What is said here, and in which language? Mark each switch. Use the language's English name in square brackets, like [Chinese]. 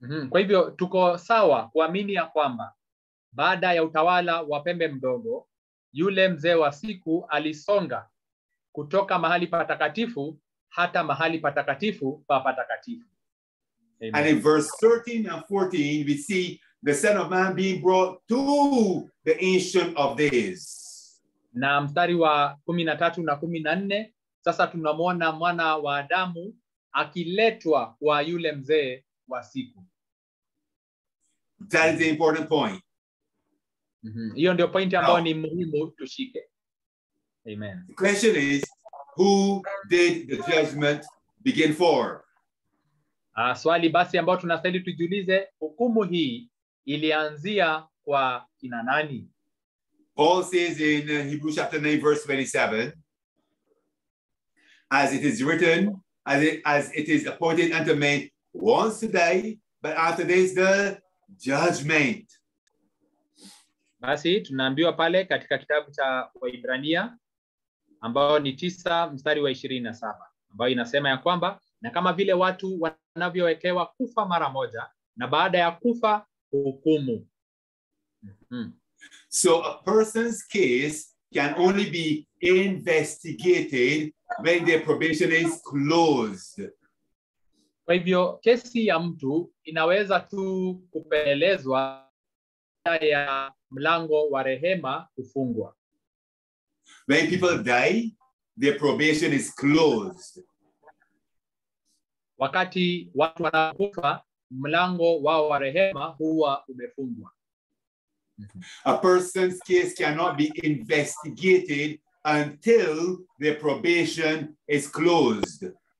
[Swahili] Kwa hivyo tuko sawa kuamini ya kwamba baada ya utawala wa pembe mdogo, yule mzee wa siku alisonga kutoka mahali patakatifu hata mahali patakatifu pa patakatifu. Amen. [English] And in verse 13 and 14, we see the Son of Man being brought to the Ancient of Days. [Swahili] Na mstari wa 13 na 14, sasa tunamuona mwana wa Adamu akiletwa kwa yule mzee wa siku. [English] That is the important point. [Swahili] Hiyo ndio point ambayo ni muhimu tushike. Amen. [English] The question is, who did the judgment begin for? [Swahili] Swali basi ambayo tunastahili tujiulize, hukumu hii ilianzia kwa kina nani? [English] Paul says in Hebrews chapter 9, verse 27, as it is written, as it is appointed unto men once to die, but after this the judgment. [Swahili] Basi, tunaambiwa pale katika kitabu cha Waibrania, ambao ni 9 mstari wa 27, ambao inasema ya kwamba, na kama vile watu wanavyowekewa kufa mara moja, na baada ya kufa, hukumu. [English] So a person's case can only be investigated when their probation is closed. [Swahili] Kwa hivyo, kesi ya mtu inaweza tu kupelezwa ya mlango wa rehema kufungwa. [English] When people die, their probation is closed. [Swahili] Wakati watu wanakufa, mlango wao wa rehema huwa umefungwa. [English] A person's case cannot be investigated until their probation is closed.